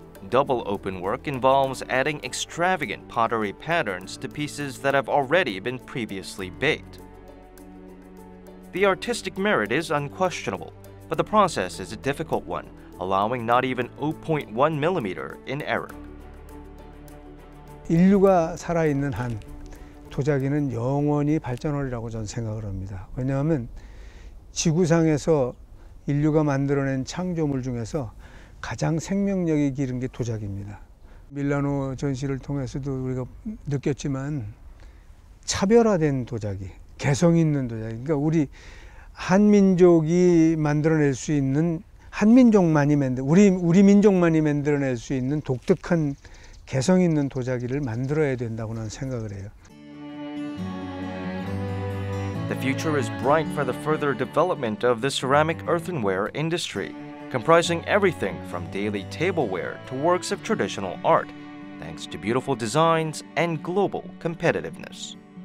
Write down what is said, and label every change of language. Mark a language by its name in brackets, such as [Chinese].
[English] Double openwork involves adding extravagant pottery patterns to pieces that have already been previously baked. The artistic merit is unquestionable, but the process is a difficult one, allowing not even 0.1 millimeter in error. [Korean] 인류가 살아있는 한 도자기는 영원히 발전하리라고 저는 생각을 합니다. 왜냐하면 지구상에서 인류가 만들어낸 창조물 중에서 가장 생명력이 기른 게 도자기입니다. 밀라노 전시를 통해서도 우리가 느꼈지만 차별화된 도자기, 개성 있는 도자기, 그러니까 우리 한민족이 만들어낼 수 있는 한민족만이 우리 민족만이 만들어낼 수 있는 독특한 개성 있는 도자기를 만들어야 된다고 나는 생각을 해요. [English] The future is bright for the further development of the ceramic earthenware industry, comprising everything from daily tableware to works of traditional art, thanks to beautiful designs and global competitiveness.